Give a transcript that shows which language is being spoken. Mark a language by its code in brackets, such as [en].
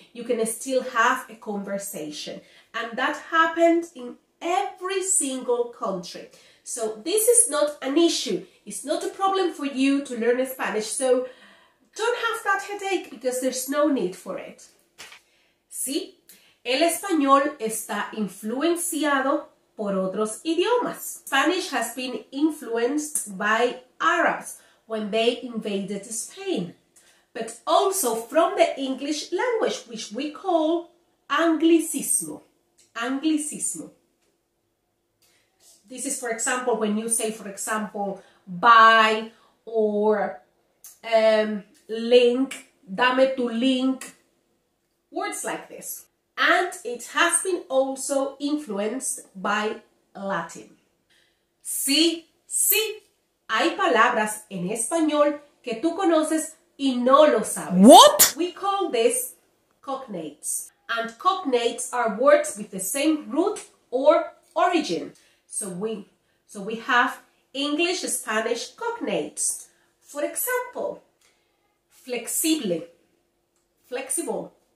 [en] You can still have a conversation. And that happens in every single country. So this is not an issue. It's not a problem for you to learn Spanish. So don't have that headache because there's no need for it. [es] Sí, el español está influenciado por otros idiomas. [en] Spanish has been influenced by Arabs when they invaded Spain, but also from the English language, which we call anglicismo. Anglicismo. This is, for example, when you say, for example, buy or link, [es] dame tu link. [en] Words like this. And it has been also influenced by Latin. [es] Sí, sí, hay palabras en español que tú conoces y no lo sabes. [en] What? We call this cognates. And cognates are words with the same root or origin. So we have English, Spanish cognates. For example, flexible, flexible.